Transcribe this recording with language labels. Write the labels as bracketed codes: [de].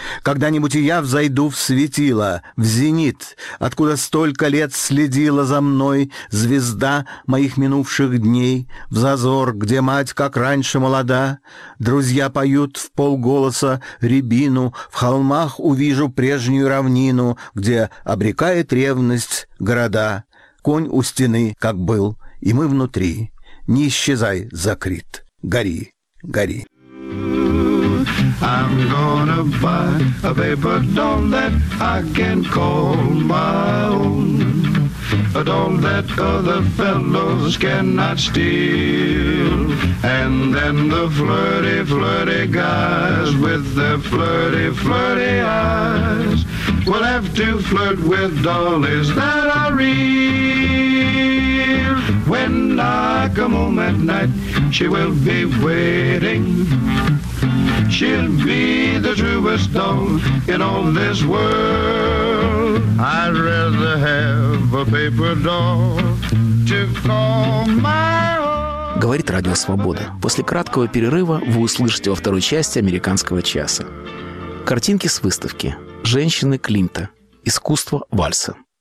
[ru] Когда-нибудь и я взойду в светило, в зенит, откуда столько лет следила за мной звезда моих минувших дней, в зазор, где мать, как раньше, молода. Друзья поют в полголоса рябину, в холмах увижу прежнюю равнину, где обрекает ревность города. Конь у стены, как был, и мы внутри. Не исчезай, закрыт, гори, гори. [en] I'm gonna buy a paper doll that I can call my own. A doll that other fellows cannot steal. And then the flirty, flirty guys with their flirty, flirty eyes will have to flirt with dollies that are real. When I come home at night, she will be waiting. She'll be the truest doll in all this world. I'd rather have a paper doll to call my own. [ru] Говорит Радио Свобода. После краткого перерыва вы услышите во второй части «Американского часа». Картинки с выставки «Женщины Климта. Искусство вальса».